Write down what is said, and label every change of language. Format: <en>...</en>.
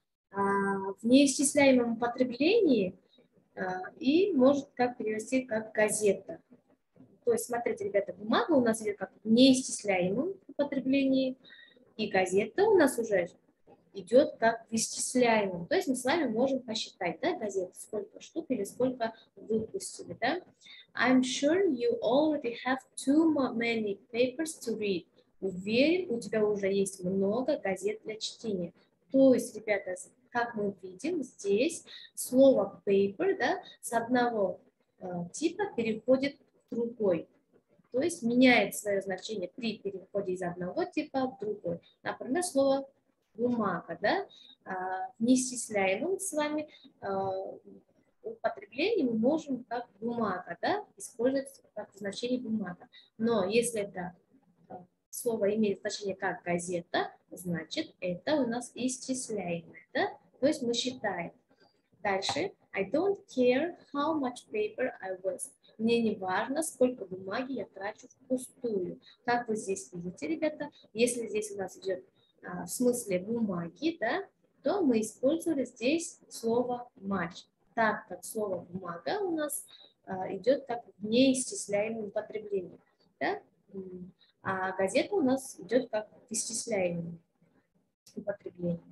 <ru>А в неисчисляемом употреблении и может как перевести как газета. То есть, смотрите, ребята, бумага у нас идет как в неисчисляемом употреблении, и газета у нас уже идет как в исчисляемом. То есть мы с вами можем посчитать, да, газету, сколько штук или сколько выпустили, да.</ru> <en>I'm sure you already have too many papers to read.</en> <ru>Уверен, у тебя уже есть много газет для чтения. То есть, ребята, как мы видим, здесь слово paper, да, с одного типа переходит в другой. То есть меняет свое значение при переходе из одного типа в другой. Например, слово бумага, да, в неисчисляемом с вами употреблении мы можем как бумага, да, использовать как значение бумага. Но если это слово имеет значение как газета, значит, это у нас исчисляемое, да, то есть мы считаем. Дальше,</ru> <en>I don't care how much paper I waste.</en> <ru>Мне не важно, сколько бумаги я трачу впустую. Как вы здесь видите, ребята, если здесь у нас идет в смысле бумаги, да, то мы использовали здесь слово much, так как слово бумага у нас идет как в неисчисляемом употреблении, да, а газета у нас идет как в исчисляемом употреблении.</ru>